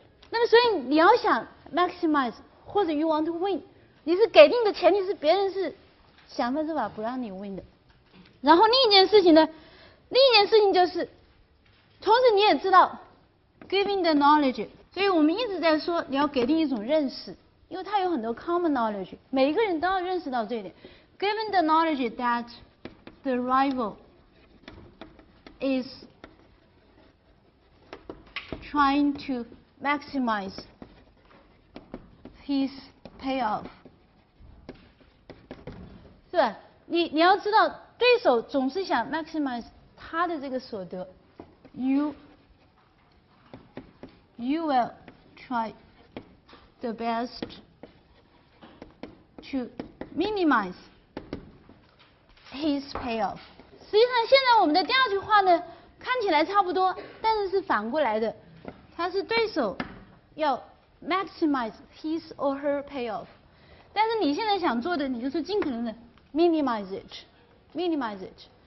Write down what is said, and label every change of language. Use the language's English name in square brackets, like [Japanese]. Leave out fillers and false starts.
[Chinese] 那么所以你要想 maximize 或者 [English] you want to win， [Chinese] 你是给定的前提是别人是想方设法不让你 win 的。然后另一件事情呢，另一件事情就是同时你也知道 [English] giving the knowledge， [Chinese] 所以我们一直在说你要给定一种认识，因为它有很多 common knowledge， 每一个人都要认识到这一点。 [English] giving the knowledge that the rival is trying to maximize his payoff， [Chinese] 是吧？你要知道对手总是想 maximize 他的这个所得， [English] you will try the best to minimize his payoff。 [Chinese] 实际上现在我们的第二句话呢看起来差不多，但是是反过来的，他是对手要 [English] maximize his or her payoff， [Chinese] 但是你现在想做的你就是尽可能的 minimize it。